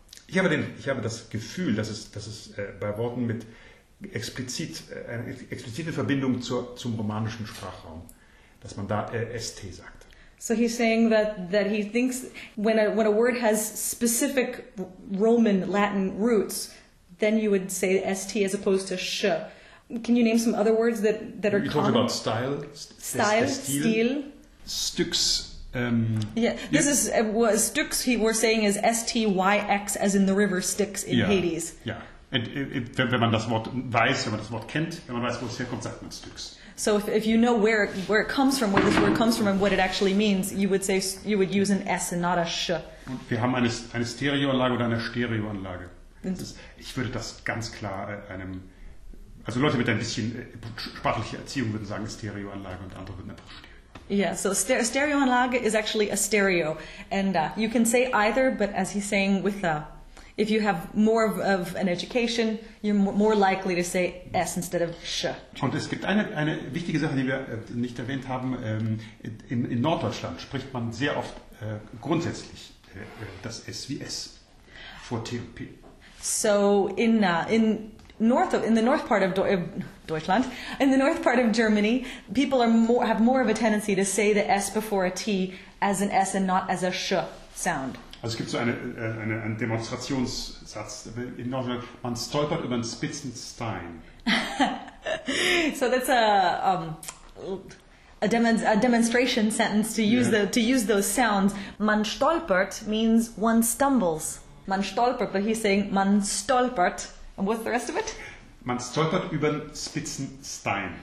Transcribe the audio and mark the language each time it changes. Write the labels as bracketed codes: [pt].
[de] Ich habe das Gefühl, dass es bei Worten mit explizite Verbindung zum romanischen Sprachraum, dass man da ST sagt. [en] So he's saying that he thinks when a word has specific Roman Latin roots, then you would say ST as opposed to sh. Can you name some other words that are you You talked about style. Style. [de] Stücks. [en] Stücks, he was saying, is STYX, as in the river Styx in Hades. [de] Yeah. And wenn man das Wort kennt, wo es herkommt, sagt man Stücks. [en] So if you know where it comes from, where this word comes from, and what it actually means, you would use an S and not a sh. [de] Und wir haben eine Stereoanlage oder eine Stereoanlage. Ich würde das ganz klar einem, also Leute mit ein bisschen sprachlicher Erziehung würden sagen Stereoanlage und andere würden einfach Stereo. [en] Yeah, so Stereoanlage is actually a stereo. And you can say either, but as he's saying with a, if you have more of an education, you're more likely to say S instead of Sch. [de] Und es gibt eine wichtige Sache, die wir nicht erwähnt haben. In Norddeutschland spricht man sehr oft grundsätzlich das S wie S vor TP. [en] So in the north part of Germany, people have more of a tendency to say the S before a T as an S and not as a Sch sound. [de] Also es gibt so einen Demonstrationssatz in Norddeutschland, man stolpert über einen spitzen Stein. [en] So that's a demonstration sentence to use, yeah. To use those sounds. Man stolpert means one stumbles. Man stolpert, but he's saying man stolpert. And what's the rest of it? [de] Man stolpert über einen spitzen Stein.